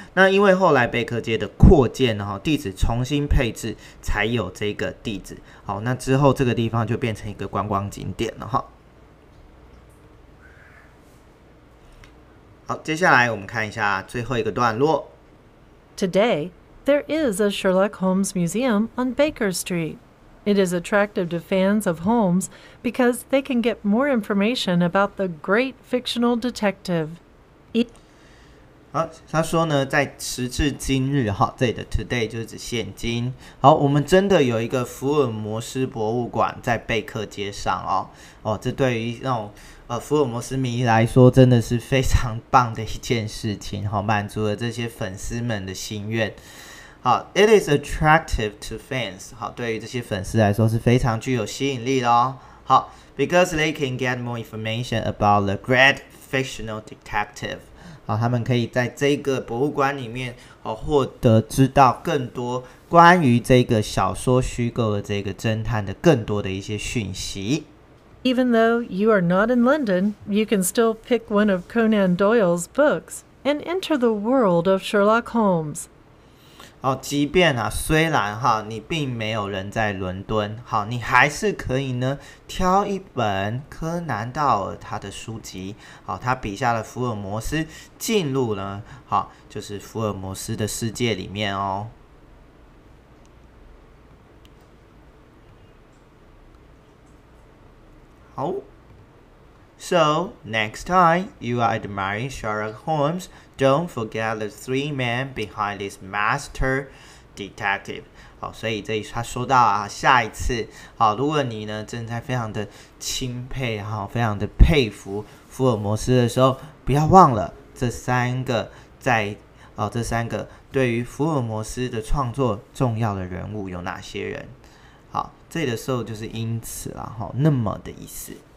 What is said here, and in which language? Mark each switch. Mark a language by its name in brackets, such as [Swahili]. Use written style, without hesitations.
[Chinese] 那因为后来贝克街的扩建哈，地址重新配置才有这个地址。好，那之后这个地方就变成一个观光景点了哈。好，接下来我们看一下最后一个段落。 [English] Today. There is a Sherlock Holmes Museum on Baker Street. It is attractive to fans of Holmes because they can get more information about the great fictional detective. [Chinese] 好，他说呢，在时至今日，哈，这里的 today 就是指现今。好，我们真的有一个福尔摩斯博物馆在贝克街上哦。哦，这对于那种福尔摩斯迷来说，真的是非常棒的一件事情，哈，满足了这些粉丝们的心愿。 [English] 好 ，it is attractive to fans。 [Chinese] 好，对于这些粉丝来说是非常具有吸引力的哦。 [English] 好 ，because they can get more information about the great fictional detective。 [Chinese] 好，他们可以在这个博物馆里面获得知道更多关于这个小说虚构的这个侦探的更多的一些讯息。 [English] Even though you are not in London, you can still pick one of Conan Doyle's books and enter the world of Sherlock Holmes. [Chinese] 好，即便啊，虽然哈，你并没有人在伦敦，好，你还是可以呢，挑一本柯南道尔他的书籍，好，他笔下的福尔摩斯进入了，好，就是福尔摩斯的世界里面哦。 [English] 好 ，So next time you are admiring Sherlock Holmes. Don't forget the three men behind this master detective. [Chinese] 好，所以这里他说到啊，下一次，好，如果你呢正在非常的钦佩哈，非常的佩服福尔摩斯的时候，不要忘了这三个在哦，这三个对于福尔摩斯的创作重要的人物有哪些人？好，这里的时候就是因此啦，哈，那么的意思。